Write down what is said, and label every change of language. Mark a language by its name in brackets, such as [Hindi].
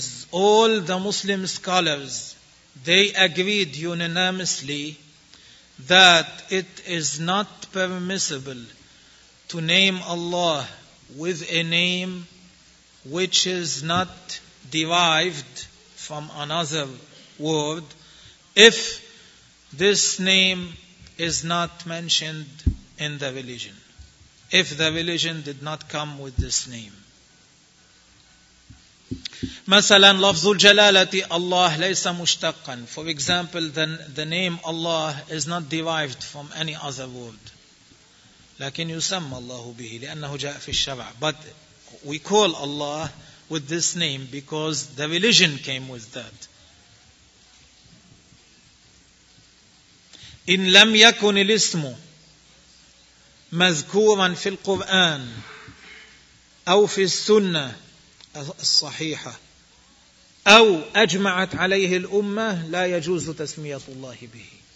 [English] All the Muslim scholars, they agreed unanimously that it is not permissible to name Allah with a name which is not derived from another word if this name is not mentioned in the religion. If the religion did not come with this name. [Arabic] مثلاً لفظ الجلالة الله ليس مشتقاً. [English] For example, the name Allah is not derived from any other word. [Arabic] لكن يسمى الله به لأنه جاء في الشرع. [English] But we call Allah with this name because the religion came with that. [Arabic] إن لم يكن الاسم مذكوراً في القرآن أو في السنة الصحيحة أو أجمعت عليه الأمة لا يجوز تسمية الله به.